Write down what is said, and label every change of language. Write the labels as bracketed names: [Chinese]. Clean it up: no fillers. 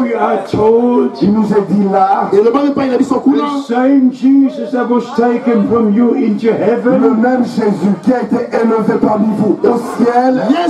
[English] we are told, [French] il nous est dit là, [English] the same Jesus that was taken from you into heaven, [French] le même Jésus qui a été élevé parmi vous au ciel,